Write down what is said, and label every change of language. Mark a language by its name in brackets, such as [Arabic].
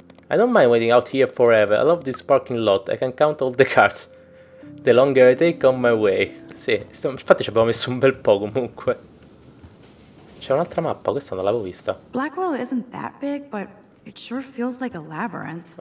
[English] I don't mind waiting out here forever. I love this parking lot. I can count all the cars. The longer I take on my way. [Italian] Sì, infatti ci abbiamo messo un bel po' comunque. C'è un'altra mappa, questa non l'avevo vista. [English] Blackwell isn't that big, but it sure feels like a labyrinth.